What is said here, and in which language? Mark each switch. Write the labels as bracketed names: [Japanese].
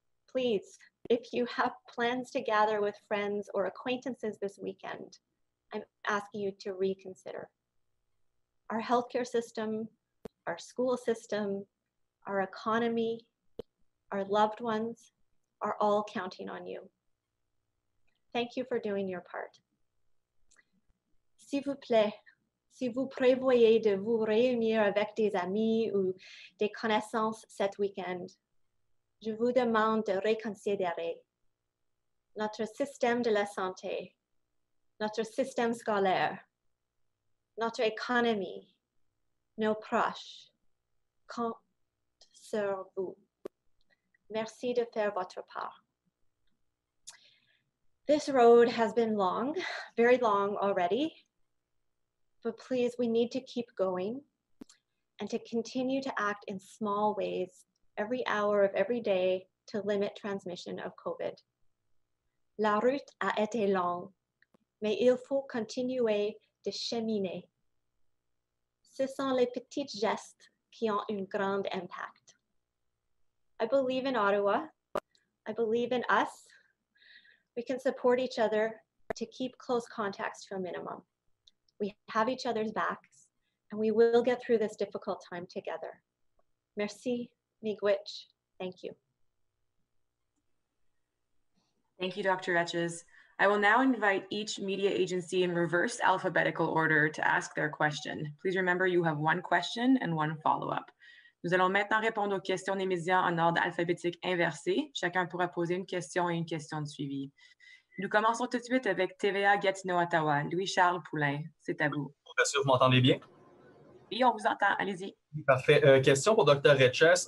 [English] Please, if you have plans to gather with friends or acquaintances this weekend, I'm asking you to reconsider. Our healthcare system, our school system, our economy, our loved ones are all counting on you. Thank you for doing your part. [French] S'il vous plaît, si vous prévoyez de vous réunir avec des amis ou des connaissances cet week-end, je vous demande de reconsidérer. Notre système de la santé, notre système scolaire, notre économie, nos proches, compte sur vous. Merci de faire votre part. [English] This road has been long, very long already, but please, we need to keep going. and to continue to act in small ways every hour of every day to limit transmission of COVID. [French] La route a été longue, mais il faut continuer de cheminer. Ce sont les petits gestes qui ont un grand impact. [English] I believe in Ottawa. I believe in us. We can support each other to keep close contacts to a minimum. We have each other's backs, and we will get through this difficult time together. Merci, miigwech, thank you. Thank you, Dr. Etches. I will now invite each media agency in reverse alphabetical order to ask their question. Please remember you have one question and one follow-up. [French] Nous allons maintenant répondre aux questions des médias en ordre alphabétique inversé. Chacun pourra poser une question et une question de suivi. Nous commençons tout de suite avec TVA Gatineau Ottawa. Louis-Charles Poulin, c'est à vous. Bien sûr, vous m'entendez bien? Oui, on vous entend. Allez-y. Parfait. Question pour Dr. Etches.